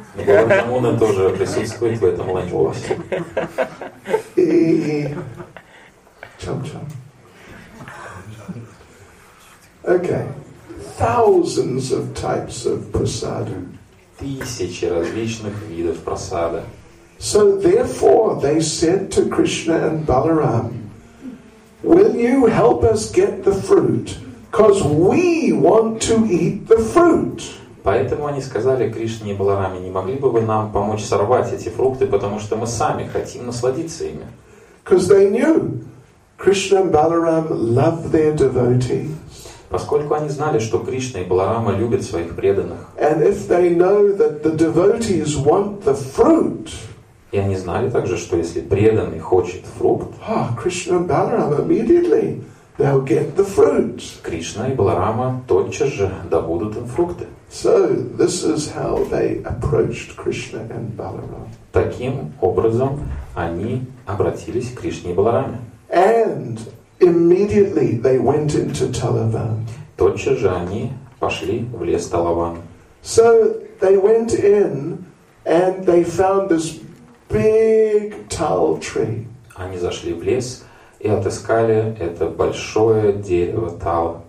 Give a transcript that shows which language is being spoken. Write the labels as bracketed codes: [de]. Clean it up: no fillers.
[ru] Gulab jamun тоже присутствует в этом ланчбоксе. И чам-чам. [en] Okay. Thousands of types of prasada. [ru] Тысячи различных видов прасада. [en] So therefore, they said to Krishna and Balaram, "Will you help us get the fruit? Because we want to eat the fruit." [ru] Поэтому они сказали Кришне и Балараме, не могли бы вы нам помочь сорвать эти фрукты, потому что мы сами хотим насладиться ими. [en] Because they knew Krishna and Balaram love their devotees. [ru] Поскольку они знали, что Кришна и Баларама любят своих преданных. [en] And if they know that the devotees want the fruit, [ru] и они знали также, что если преданный хочет фрукт, [en] Krishna and Balaram immediately they'll get the fruit. [ru] Кришна и Баларама тотчас же добудут им фрукты. [en] So this is how they approached Krishna and Balaram. [ru] Таким образом они обратились к Кришне и Балараме. [en] And immediately they went into Talavan. [ru] Тотчас же они пошли в лес Талаван. [en] So they went in and they found this big tall tree. [ru] Они зашли в лес и отыскали это большое дерево тал.